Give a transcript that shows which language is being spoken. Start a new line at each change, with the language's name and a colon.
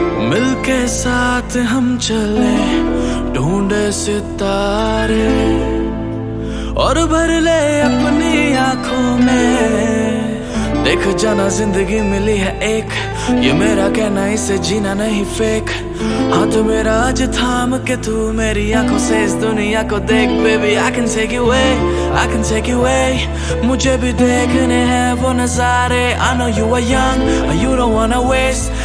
Hindi: मिलके साथ हम चले ढूंढे सितारे और भर ले अपनी आंखों में. देख जाना जिंदगी मिली है एक, ये मेरा कहना इसे जीना नहीं फेक. हाथ मेरा आज थाम के तू मेरी आंखों से इस दुनिया को देख.
English: Baby I can take you away, I can take you away.
Hindi: मुझे भी देखने हैं वो नजारे.
English: I know you are young and you don't wanna waste.